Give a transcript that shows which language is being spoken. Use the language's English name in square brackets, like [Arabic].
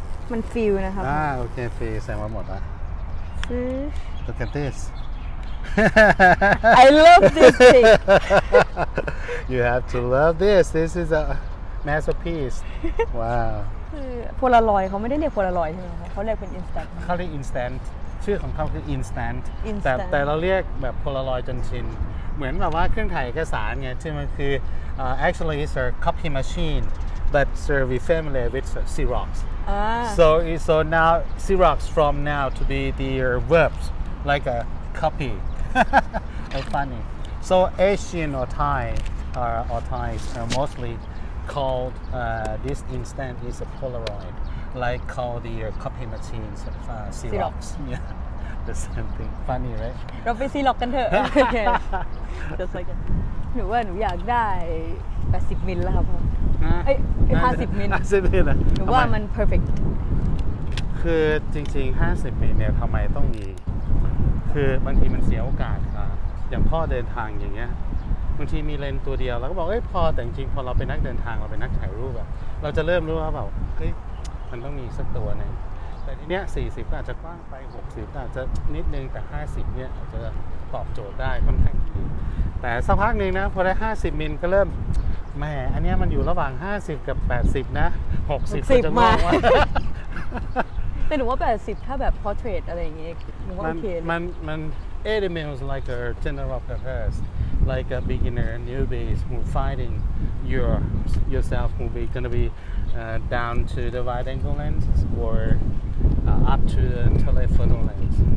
[Thai] มันฟิวนะครับ โอเคฟิวแซงมาหมดละ ฟิ [English] ว Look at this I love this thing You have to love this This is a masterpiece Wow [Thai] คือโพลารอยด์เขาไม่ได้เรียกโพลารอยด์ใช่ไหมเขาเรียกเป็น instant เขาเรียก instant ชื่อของเขาคือ instant [English] instant [Thai] แต่เราเรียกแบบโพลารอยด์จนชินเหมือนแบบว่าเครื่องถ่ายเอกสารไงที่มันคือ [English] actually it's a copy machine but sir we familiar with XeroxSo now Xerox from now to be the verbs like a copy. Funny. So Asian or Thai are mostly called this instant is a Polaroid, like call the copy machines Xerox. Yeah, the same thing. Funny, right? [Thai] เราไป Xerox กันเถอะ [English] Okay. Just like that. [Thai] หนูว่าหนูอยากได้80มิลแล้วครับพ่อ เอ้ย50มิล 50มิล หนูว่ามัน perfect คือจริงๆ50มิลเนี่ยทำไมต้องมีคือบางทีมันเสียโอกาสครับอย่างพ่อเดินทางอย่างเงี้ยบางทีมีเลนตัวเดียวเราก็บอกเอ้ยพอแต่จริงพอเราเป็นนักเดินทางเราเป็นนักถ่ายรูปอะเราจะเริ่มรู้ว่าแบบเฮ้ยมันต้องมีสักตัวนึงแต่ทีเนี้ย40ก็อาจจะกว้างไป60อาจจะนิดนึงแต่50เนี่ยอาจจะตอบโจทย์ได้ค่อนข้างดีแต่สักพักนึงนะพอได้50มิลก็เริ่มแหมอันเนี้ยมันอยู่ระหว่าง50กับ80นะ60จะงงว่า แต่หนูว่า80ถ้าแบบ portrait อะไรอย่างเงี้ยหนูว่าโอเค มัน [English] 80 mil is like a tender of the first like a beginner newbie who finding yourself will be going to be down to the wide angle lens or up to the telephoto lens